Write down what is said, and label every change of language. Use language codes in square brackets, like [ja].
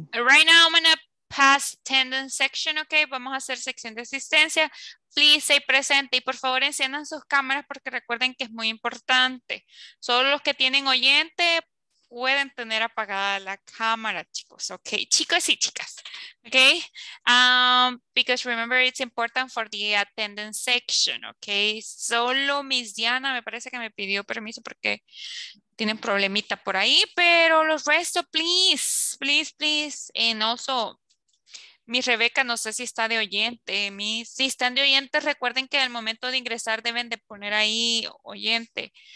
[en] Right now I'm gonna pass attendance section, okay? [es] Vamos a hacer sección de asistencia. [en] Please stay present [es] y por favor enciendan sus cámaras porque recuerden que es muy importante. Solo los que tienen oyente pueden tener apagada la cámara, chicos. Okay, chicos y chicas. [en] Okay, because remember it's important for the attendance section. [es] Okay, solo Miss Diana me parece que me pidió permiso porque tienen problemita por ahí, pero los restos, [en] please, please, please. And also, [es] Miss Rebeca, no sé si está de oyente. Miss, si están de oyente, recuerden que al momento de ingresar deben de poner ahí oyente.